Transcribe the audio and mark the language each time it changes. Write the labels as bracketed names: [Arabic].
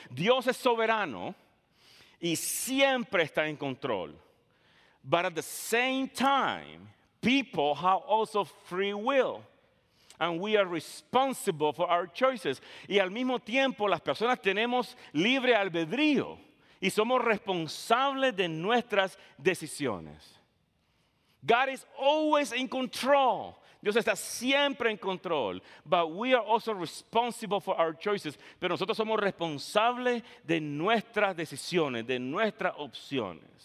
[Spanish] Dios es soberano y siempre está en control. [English] But at the same time, people have also free will. And we are responsible for our choices. [Spanish] Y al mismo tiempo, las personas tenemos libre albedrío y somos responsables de nuestras decisiones. [English] God is always in control. [Spanish] Dios está siempre en control. [English] But we are also responsible for our choices. [Spanish] Pero nosotros somos responsables de nuestras decisiones, de nuestras opciones.